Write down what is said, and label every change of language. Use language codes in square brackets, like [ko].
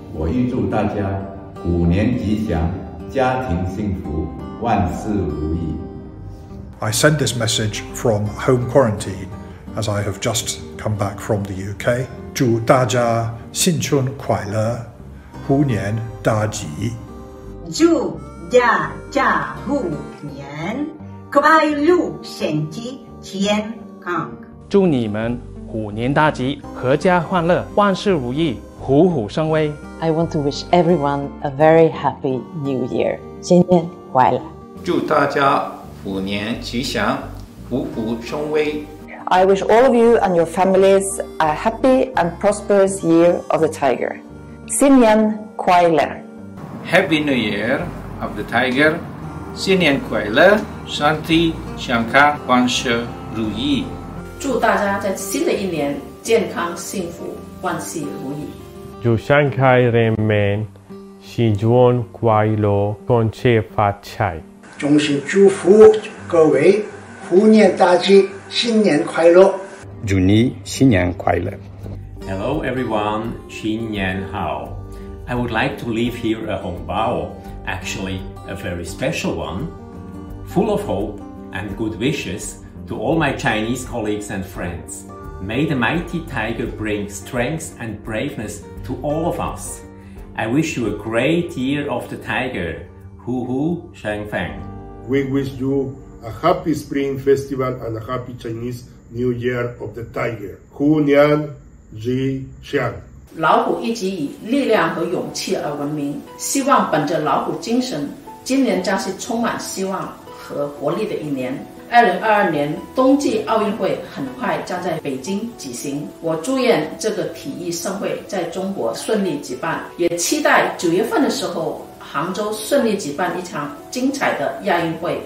[zh] 我预祝大家虎年吉祥，家庭幸福，万事如意。 [en] I send this message from home quarantine as I have just come back from the UK. [zh] 祝大家新春快乐，虎年大吉。祝大家虎年快乐，身体健康。祝你们虎年大吉，阖家欢乐，万事如意，虎虎生威。 [en] I want to wish everyone a very happy new year. [zh] 新年快乐。祝大家虎年吉祥，虎虎生威。 [en] I wish all of you and your families a happy and prosperous year of the tiger. [zh] 新年快乐。 [en] Happy New Year of the Tiger. [zh] 新年快乐，身体健康，万事如意。祝大家在新的一年健康幸福，万事如意。祝 Shanghai 人民新春快乐，恭喜发财。衷心祝福各位虎年大吉，新年快乐。祝你新年快乐。 [en] Hello everyone, [zh] 新年好。 [en] I would like to leave here a hongbao, actually a very special one, full of hope and good wishes to all my Chinese colleagues and friends. May the mighty tiger bring strength and braveness to all of us. I wish you a great year of the tiger. [zh] Hu hu, Shang Feng. [en] We wish you a happy spring festival and a happy Chinese New Year of the tiger. [zh] Hu nian ji xiang. 老虎一直以力量和勇气而闻名，希望本着老虎精神，今年将是充满希望和活力的一年。 2022年冬季奥运会很快将在北京举行，我祝愿这个体育盛会在中国顺利举办，也期待九月份的时候杭州顺利举办一场精彩的亚运会。